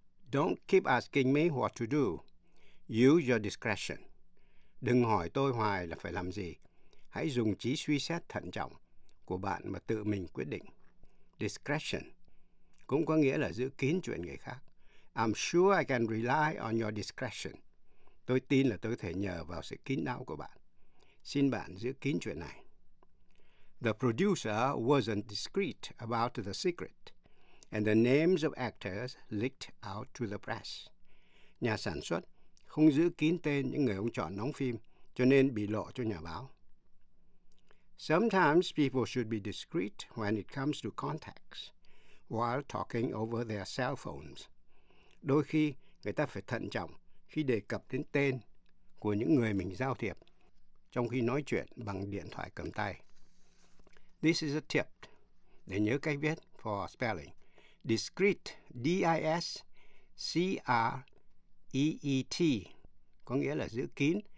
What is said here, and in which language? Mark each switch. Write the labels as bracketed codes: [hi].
[en] Don't keep asking me what to do. Use your discretion. [vi] Đừng hỏi tôi hoài là phải làm gì. Hãy dùng trí suy xét thận trọng của bạn mà tự mình quyết định. Discretion cũng có nghĩa là giữ kín chuyện người khác. [en] I'm sure I can rely on your discretion. [vi] Tôi tin là tôi có thể nhờ vào sự kín đáo của bạn. Xin bạn giữ kín chuyện này. [en] The producer wasn't discreet about the secret, and the names of actors leaked out to the press. [vi] Nhà sản xuất không giữ kín tên những người ông chọn đóng phim, cho nên bị lộ cho nhà báo. [en] Sometimes people should be discreet when it comes to contacts while talking over their cell phones. [vi] Đôi khi người ta phải thận trọng khi đề cập đến tên của những người mình giao thiệp trong khi nói chuyện bằng điện thoại cầm tay. [en] This is a tip [vi] để nhớ cách viết [en] for spelling. [vi] Discreet, D-I-S-C-R-E-E-T, có nghĩa là giữ kín.